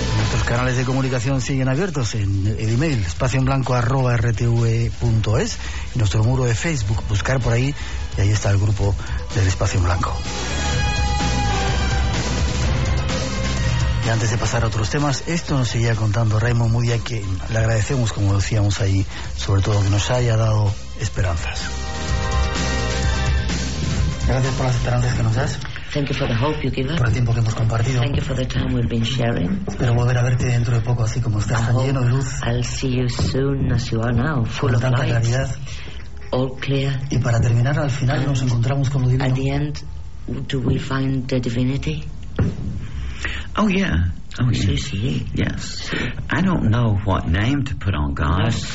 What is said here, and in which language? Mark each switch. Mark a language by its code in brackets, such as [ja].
[es] Nuestros canales de comunicación siguen abiertos en el email espacioenblanco@rtve.es y nuestro muro de Facebook, buscar por ahí y ahí está el grupo del Espacio en Blanco. Y antes de pasar a otros temas, esto nos seguía contando Raymond Moody, a quien le agradecemos, como decíamos ahí, sobre todo que nos haya dado esperanzas. Gracias por las esperanzas que nos das. [en] Thank you for the hope you give us. [es] Por el tiempo que hemos compartido. [en] Thank you for the time we've been sharing. [es] Espero volver a verte dentro de poco, así como estás, tan lleno de luz. [en] I'll see you soon as you are now, full of [es] tanta claridad. [en] All clear. [es] Y para terminar, al final nos encontramos con lo divino. [en] At the end, do we find the divinity? Oh yeah. Oh yeah. [es] Sí. [en] Yes. I don't know what name to put on God.